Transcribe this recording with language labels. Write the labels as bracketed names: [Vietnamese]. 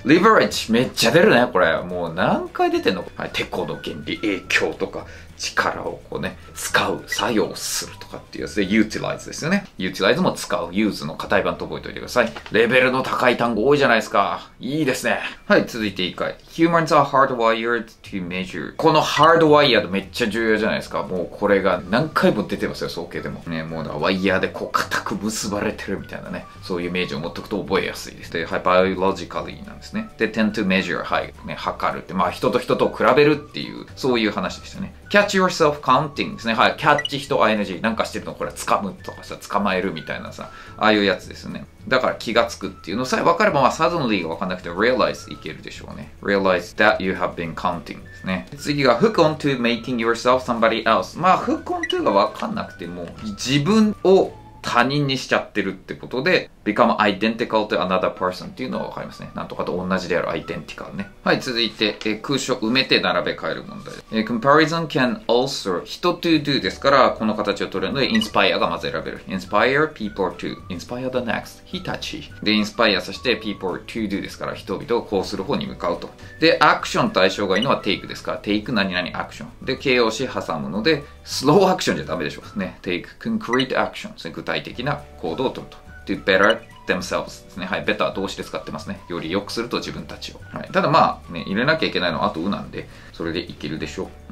[Japanese] リバレッジめっちゃ出るね、これ。もう何回出てんの？はい、テコの原理、影響とか、力をこうね、使う、作用するとかっていうやつで、utilize ですよね。 utilize も使う、use の硬い版と覚えておいてください。レベルの高い単語多いじゃないですか。いいですね。はい、続いて1回。 [English] humans are hardwired to measure。 [Japanese] この hardwired めっちゃ重要じゃないですか。もうこれが何回も出てますよ、総研でも。ね、もうワイヤーでこう固く結ばれてるみたいなね。そういうイメージを持っておくと覚えやすいです。で、はい、biologically なんですね。で、 [English] tend to measure、 [Japanese] はい、ね、測るって。まあ、人と人と比べるっていう、そういう話でしたね。 [English] catch yourself counting [Japanese] ですね。 はい、catch 人 ing。なんかしてるの、これ、掴むとかさ、捕まえるみたいなさ、ああいうやつですね。だから気がつくっていうのさえ分かれば、まあ、suddenly が分かんなくて、realize いけるでしょうね。 [English] realize that you have been counting ですね。次が hook onto making yourself somebody else。 [Japanese] まあ、hook onto が分かんなくても、自分を他人にしちゃってるってことで、 [English] become identical to another person [Japanese] っていうのは分かりますね。なんとかと同じである、 identical ね。はい、続いて、空所埋めて並べ替える問題。 [English] comparison can also [Japanese] 人 to do ですから、この形を取れるので inspire がまず選べる。 [English] inspire people to inspire the next Hitachi [Japanese] で inspire させて people to do ですから、人々をこうする方に向かうと。で、 action 対象がいいのは take ですから、 take 何々 action で形容詞挟むので、 slow action じゃダメでしょうね。 [English] take concrete action、 [Japanese] 具体的な行動を取ると。 do better themselves ですね。はい、better 動詞で使ってますね。より良くすると自分たちを。はい、ただまあ、ね、入れなきゃいけないのはあとうなんで、それでいけるでしょう。